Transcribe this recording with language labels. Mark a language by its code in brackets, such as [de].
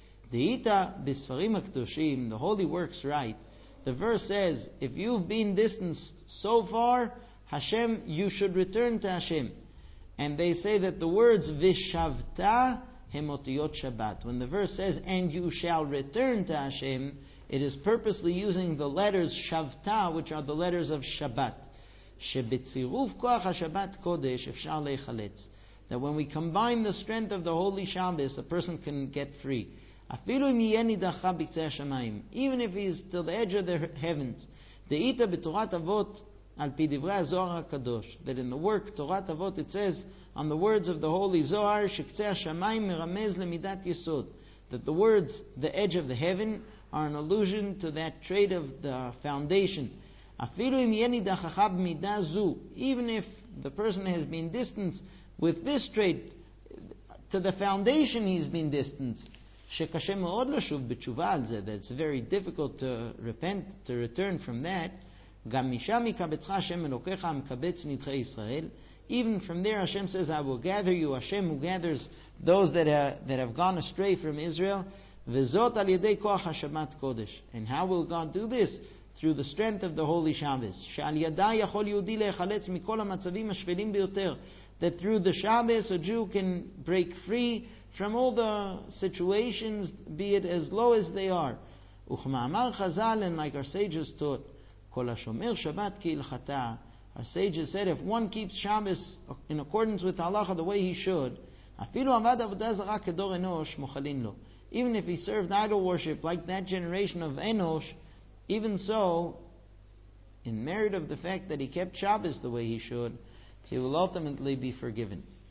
[he] דהית בספרים הקדושים, [en] the holy works right, the verse says, if you've been distanced so far, Hashem, you should return to Hashem. And they say that the words, [he] vishavta, hem otiyot shabbat. [en] When the verse says, and you shall return to Hashem, it is purposely using the letters shavta, which are the letters of Shabbat. [he] שבצירוף כוח השבת קודש אפשר להיחלץ. [en] That when we combine the strength of the Holy Shabbos, a person can get free. [he] אפילו אם יהיה נידחך בקצה השמיים, [en] even if he is to the edge of the heavens, [he] דהית בתורת אבות על פי דברי הזוהר הקדוש, [en] that in the work, תורת אבות, it says, on the words of the Holy Zohar, [he] שקצה השמיים מרמז למידת יסוד, [en] that the words, the edge of the heaven, are an allusion to that trait of the foundation. [he] אפילו אם יהיה נידחך במידה זו, [en] even if the person has been distanced with this trait, to the foundation he's been distanced, [he] שקשה מאוד לשוב בתשובה על זה, [en] that it's very difficult to repent, to return from that, [he] גם משם יקבצך השם אלוקיך המקבץ נדחי ישראל, [en] even from there Hashem says, I will gather you, Hashem who gathers those that have gone astray from Israel, [he] וזאת על ידי כוח השבת קודש. [en] And how will God do this? Through the strength of the Holy Shabbos. [he] שעל ידה יכול יהודי להיחלץ מכל המצבים השפלים ביותר. [en] That through the Shabbos a Jew can break free from all the situations, be it as low as they are. [he] וכמאמר חז"ל, [en] and like our sages taught, [he] כל השומר שבת כהלכתה. [en] Our sages said, if one keeps Shabbos in accordance with Halacha the way he should, [he] אפילו עבד עבודה זרה כדור אנוש מוכלין לו. [en] Even if he served idol worship like that generation of Enosh, even so, in merit of the fact that he kept Shabbos the way he should, he will ultimately be forgiven.